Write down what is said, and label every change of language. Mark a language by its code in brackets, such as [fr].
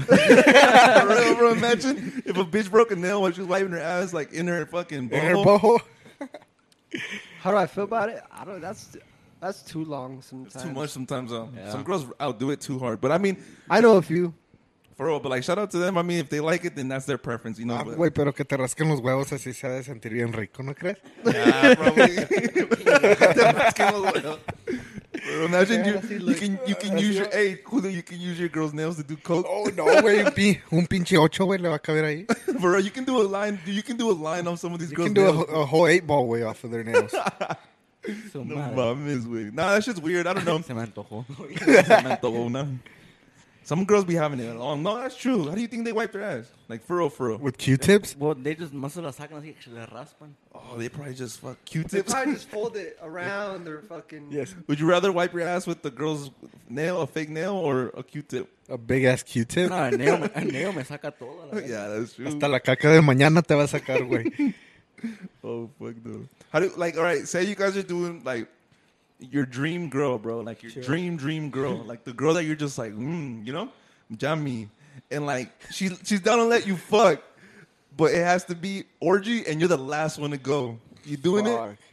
[en] For real, bro. Imagine if a bitch broke a nail while she was wiping her ass, like in her fucking bowl. In her bowl? How do I feel about it? I don't. That's too long. Sometimes it's too much. Sometimes though, yeah. Some girls outdo it too hard. But I mean, I know a few. For real, but like, shout out to them. I mean, if they like it, then that's their preference, you know. [es] Ah, güey, pero que te rasquen los huevos así se ha de sentir bien rico, ¿no crees? [en] Yeah, probably. Bro, imagine you can use your hey, Julio, you can use your girl's nails to do coke. [es] Oh no, güey, un pinche ocho, güey, le va a caber ahí. [en] Bro, you can do a line. You can do a line on some of these you girls. You can do nails. A whole eight ball way off of their nails. So [es] no, mames, güey. [en] Nah, that shit's weird. I don't know. [es] Se me antojó. Se me antojó una. [en] Some girls be having it long. No, that's true. How do you think they wipe their ass? Like, for real. With Q-tips? Well, they just muscle [es] la sacan así que se le raspan. [en] Oh, they probably just fuck Q-tips? They probably just fold it around their fucking... Yes. Would you rather wipe your ass with the girl's nail, a fake nail, or a Q-tip? A big-ass Q-tip? [es] No, [en] a nail [es] me saca todo. [en] Yeah, that's true. [es] Hasta la caca de mañana te va a sacar, güey. [en] Oh, fuck, dude. How do... Like, all right, say you guys are doing, like... Your dream girl, bro. Like, your dream girl. Like, the girl that you're just like, you know? Jammy. And, like, she's down to let you fuck. But it has to be orgy, and you're the last one to go. You doing fuck. It?